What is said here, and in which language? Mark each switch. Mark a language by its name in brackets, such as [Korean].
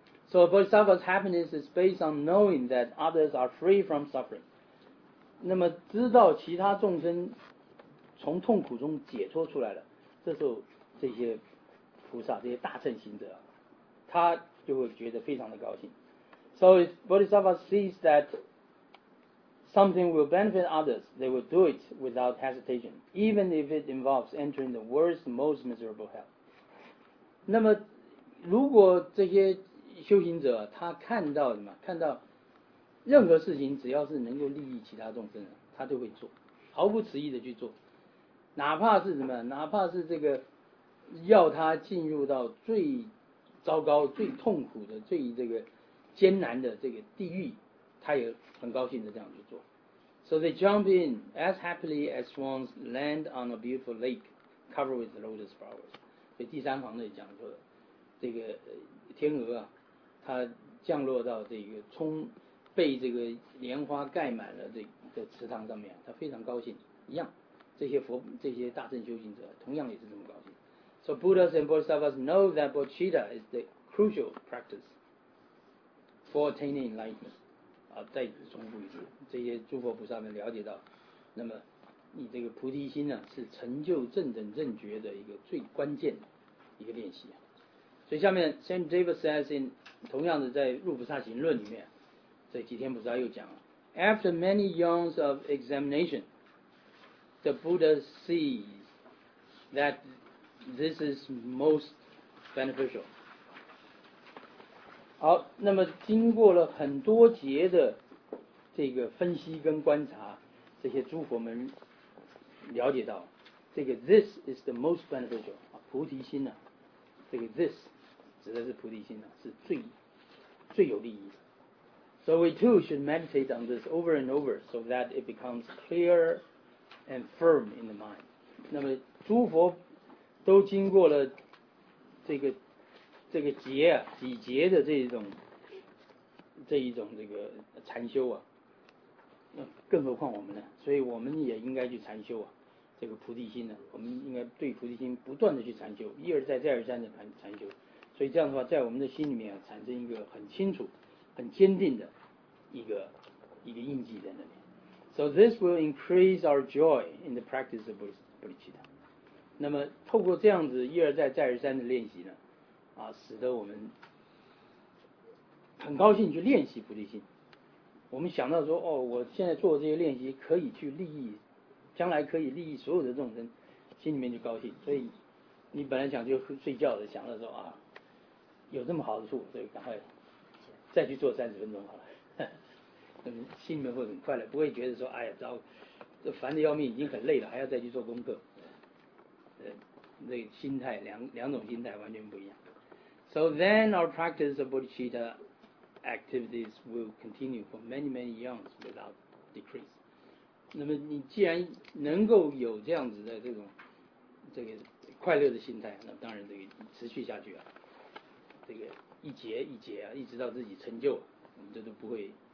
[English] So bodhisattva's happiness is based on knowing that others are free from suffering. [Chinese] 那么知道其他众生从痛苦中解脱出来了，这时候这些菩萨这些大乘行者他就会觉得非常的高兴。 [English] So if Bodhisattva sees that something will benefit others, they will do it without hesitation, even if it involves entering the worst, most miserable hell. [Chinese] 那么如果这些修行者他看到什么，看到任何事情只要是能够利益其他众生，他都会做，毫不迟疑的去做，哪怕是什么，哪怕是这个要他进入到最糟糕、最痛苦的、最这个艰难的这个地狱，他也很高兴的这样去做。 [English] So they jump in as happily as swans land on a beautiful lake covered with lotus flowers. [Chinese] 所以第三行呢讲说，这个天鹅啊，它降落到这个冲被这个莲花盖满了这个池塘上面，他非常高兴，一样，这些佛这些大乘修行者同样也是这么高兴。 [English] So Buddhas and Bodhisattvas know that bodhicitta is the crucial practice for attaining enlightenment. [Chinese] 啊，再重复一次，这些诸佛菩萨们了解到，那么你这个菩提心呢、啊，是成就正等正觉的一个最关键的一个练习。所以下面 Saint David [English] says [Chinese] in 同样的在入菩萨行论里面。这几天菩萨又讲了 [English] After many yawns of examination, the Buddha sees that this is most beneficial. [Chinese] 好，那么经过了很多节的这个分析跟观察，这些诸佛们了解到这个 [English] this is the most beneficial, [Chinese] 菩提心啊，这个 [English] this [Chinese] 指的是菩提心啊，是最有利益的。 [English] So we too should meditate on this over and over so that it becomes clear and firm in the mind. [Chinese] 那么诸佛都经过了这个节啊，几节的这一种这个禅修啊，更何况我们呢，所以我们也应该去禅修啊，这个菩提心呢、啊、我们应该对菩提心不断的去禅修，一而再再而三的禅修，所以这样的话在我们的心里面、啊、产生一个很清楚很坚定的一个印记在那里。 [English] So this will increase our joy in the practice of bodhicitta. [Chinese] 那么透过这样子一而再再而三的练习呢、啊、使得我们很高兴去练习菩提心，我们想到说哦，我现在做这些练习可以去利益，将来可以利益所有的众生，心里面就高兴。所以你本来想去睡觉的，想到说啊，有这么好的处，所以赶快再去做三十分钟好了，心里面会很快乐，不会觉得说哎呀糟，这烦得要命，已经很累了，还要再去做功课。那心态两种心态完全不一样。 [English] So then our practice of bodhicitta activities will continue for many many years without decrease. [Chinese] 那么你既然能够有这样子的这个快乐的心态，那当然这个持续下去啊，这个一节一节啊，一直到自己成就，我们这都不会。